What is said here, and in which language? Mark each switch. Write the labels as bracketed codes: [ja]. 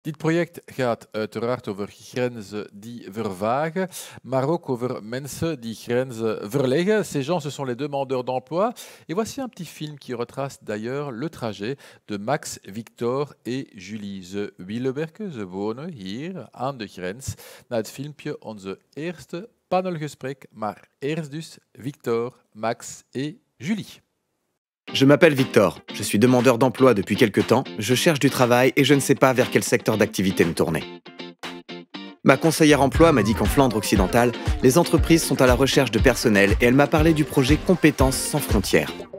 [nl] Dit project gaat uiteraard over grenzen die vervagen, maar ook over mensen die grenzen verleggen. [fr] Ces gens, ce sont les demandeurs d'emploi. Et voici un petit film qui retrace d'ailleurs le trajet de Max, Victor et Julie. [nl] Ze Willeberke, ze wonen hier aan de grens. Na het filmpje onze eerste panelgesprek, maar eerst dus Victor, Max et Julie. [fr] Je m'appelle Victor, je suis demandeur d'emploi depuis quelques temps, je cherche du travail et je ne sais pas vers quel secteur d'activité me tourner. Ma conseillère emploi m'a dit qu'en Flandre occidentale, les entreprises sont à la recherche de personnel et elle m'a parlé du projet Compétences sans frontières.